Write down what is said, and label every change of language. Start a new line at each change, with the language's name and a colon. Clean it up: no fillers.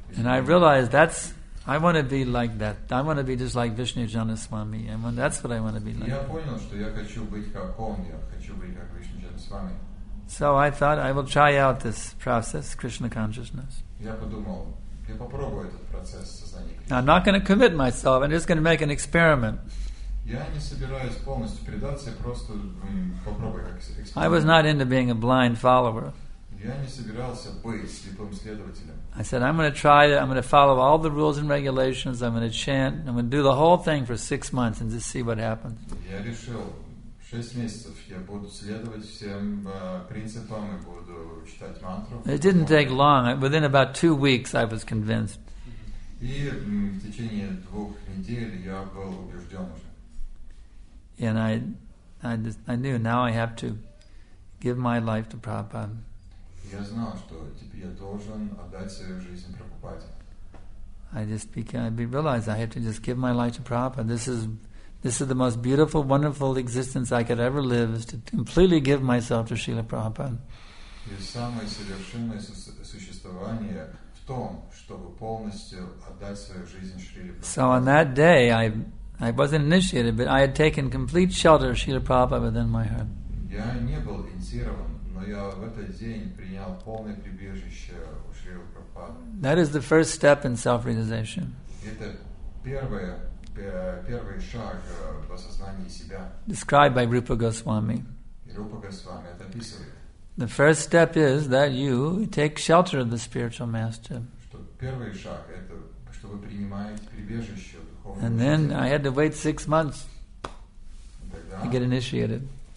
English: And I realized that's I want to be like that. I want to be just like Vishnu Janaswami. That's what I want to be like.
Russian: Я понял, что я хочу быть как он. Я хочу быть как Вишну Джанасвами.
English: So I thought I will try out this process, Krishna consciousness.
Russian: Я подумал, я попробую этот процесс сознания
English: Кришны. I'm not going to commit myself. I'm just going to make an experiment.
Russian: Я не собираюсь полностью предаться, я просто попробую как эксперимент.
English: I was not into being a blind follower.
Russian: Я не собирался быть слепым следователем.
English: I said, I'm going to try it. I'm going to follow all the rules and regulations. I'm going to chant. I'm going to do the whole thing for 6 months and just see what happens.
Russian: Я решил, 6 месяцев я буду следовать всем принципам и буду читать мантру.
English: It didn't take long. Within about 2 weeks, I was convinced.
Russian: И в течение 2 недель я был убежден уже.
English: And I knew now I have to give my life to Prabhupada.
Russian: Я знал, что теперь я должен отдать свою жизнь Прабхупаде.
English: I realized I have to just give my life to Prabhupada. This is the most beautiful, wonderful existence I could ever live, is to completely give myself to Srila Prabhupada.
Russian: И самое совершенное существование в том, чтобы полностью отдать свою жизнь Шриле Прабхупаде.
English: So on that day I wasn't initiated, but I had taken complete shelter of Srila Prabhupada within my heart.
Russian: Я не был инициирован, но я в этот день принял полное прибежище у Шрилы Прабхупады.
English: That is the first step in self-realization.
Russian: Это первый шаг в осознании себя.
English: Described by Rupa Goswami.
Russian: Рупа Госвами это описывает.
English: The first step is that you take shelter of the spiritual master.
Russian: Что первый шаг это что вы принимаете прибежище.
English: And then I had to wait 6 months to get initiated.